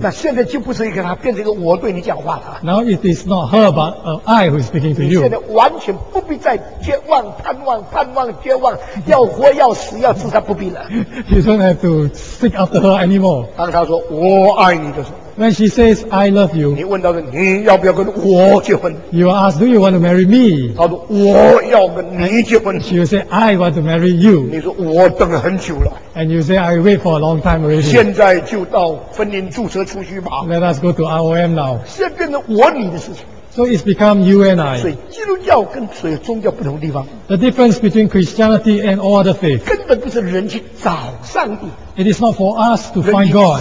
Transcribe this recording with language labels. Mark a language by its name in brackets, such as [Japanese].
[Chinese] 那现在就不是一个她变成一个我对你讲话了 [English] Now it is not her but I who is speaking to you [Chinese] 你现在完全不必再绝望盼望盼望绝望要活要死要自杀不必了 [English] You don't have to seek after her anymore [Chinese] 当她说我爱你的时候 [English] When she says, I love you, [Chinese] 你问到的你要不要跟我结婚 [English] You will ask, do you want to marry me? [Chinese] 她说我要跟你结婚 [English] She will say, I want to marry you. [Chinese] 你说我等了很久了 [English] And you say, I wait for a long time already. [Chinese] 现在就到婚姻注册出去吧 [English] Let us go to ROM now. [Chinese] 现在变成我你的事情 [English] So it's become you and I. [Chinese] 所以基督教跟所有宗教不同的地方。 [English] The difference between Christianity and all other faith. [Chinese] 根本不是人去找上帝。 [English] It is not for us to find God.